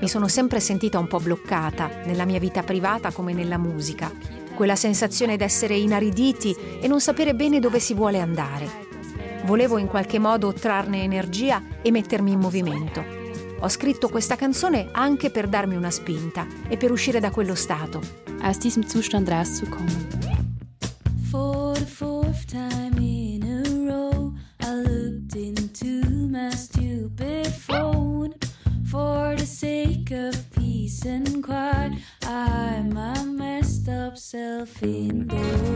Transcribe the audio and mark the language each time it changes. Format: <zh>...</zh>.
<it>Mi sono sempre sentita un po' bloccata, nella mia vita privata come nella musica. Quella sensazione d'essere inariditi e non sapere bene dove si vuole andare. Volevo in qualche modo trarne energia e mettermi in movimento. Ho scritto questa canzone anche per darmi una spinta e per uscire da quello stato.</it> <de>Aus diesem Zustand rauszukommen.</de> <en>For the fourth time in a row, I looked into my stupid phone. For the sake of peace and quiet, I'm a messed up self indoors.</en>